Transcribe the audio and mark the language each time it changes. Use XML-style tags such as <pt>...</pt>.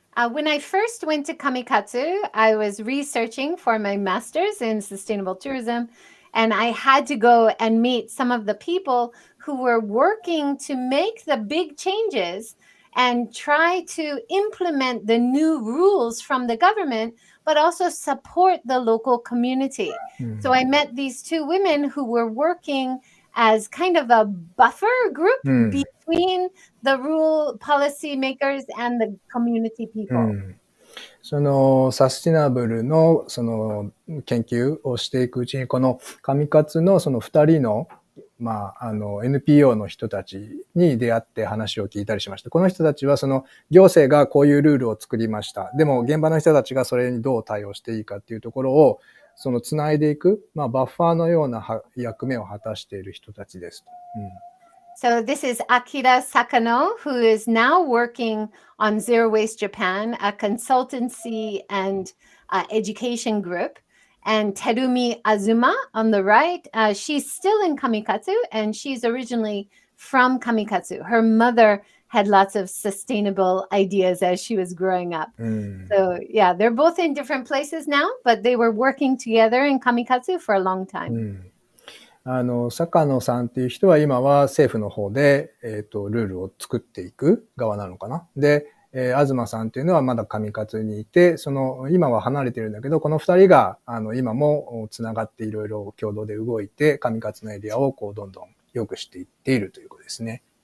<en>When I first went to Kamikatsu, I was researching for my master's in sustainable tourism, and I had to go and meet some of the people who were working to make the big changes and try to implement the new rules from the government, but also support the local community. So I met these two women who were working as kind of a buffer group between the rule policy makers and the community people.</en> <ja>そのサスティナブルのその研究をしていくうちに、この上勝のその2人のまああの NPO の人たちに出会って話を聞いたりしました。この人たちはその行政がこういうルールを作りました。でも現場の人たちがそれにどう対応していいかっていうところをそのつないでいく、まあ、バッファーのような役目を果たしている人たちです。</ja> <en>So this is Akira Sakano, who is now working on Zero Waste Japan, a consultancy and education group. And Terumi Azuma on the right, she's still in Kamikatsu and she's originally from Kamikatsu. Her mother had lots of sustainable ideas as she was growing up. Mm. So yeah, they're both in different places now, but they were working together in Kamikatsu for a long time.</en> <ja>あの、坂野さんっていう人は今は政府の方で、ルールを作っていく側なのかな。で、東さんっていうのはまだ Kamikatsuにいて、その今は離れてるんだけど、この二人があの今もつながっていろいろ共同で動いて、Kamikatsuのエリアをこうどんどん良くしていっているということですね。</ja>